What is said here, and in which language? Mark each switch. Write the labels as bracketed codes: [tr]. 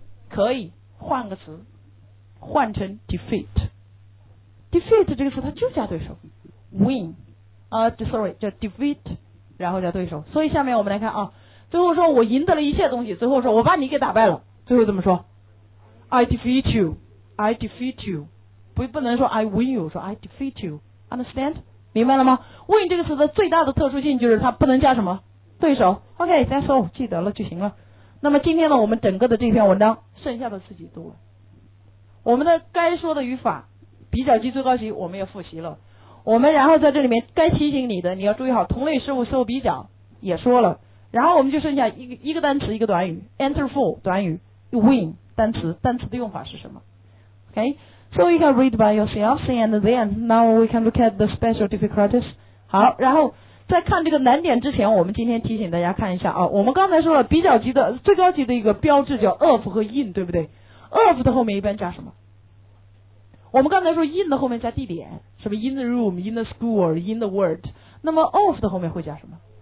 [zh] 可以换个词，换成 defeat。 defeat 这个词它就加对手， win、sorry 叫 defeat 然后加对手。所以下面我们来看啊，最后说我赢得了一切东西，最后说我把你给打败了，最后怎么说？ [en] I defeat you， I defeat you， [zh] 不能说 [en] I win you， [zh] 说 [en] I defeat you， understand？ [zh] 明白了吗？ win 这个词的最大的特殊性就是它不能加什么？对手。 [en] OK， that's all， [zh] 记得了就行了。那么今天呢，我们整个的这篇文章剩下的自己读了，我们的该说的语法比较级最高级我们也复习了，我们然后在这里面该提醒你的你要注意好同类事物事后比较也说了，然后我们就剩下一个单词一个短语， enter for 短语， win 单词的用法是什么。 [en] OK， so you can read by yourself and then now we can look at the special difficulties。 [zh] 好，然后在看这个难点之前，我们今天提醒大家看一下啊，我们刚才说了比较级的最高级的一个标志叫 of 和 in， 对不对？ of 的后面一般加什么？我们刚才说 in 的后面加地点，什么 [en] in the room， in the school， in the world， [zh] 那么 of 的后面会加什么？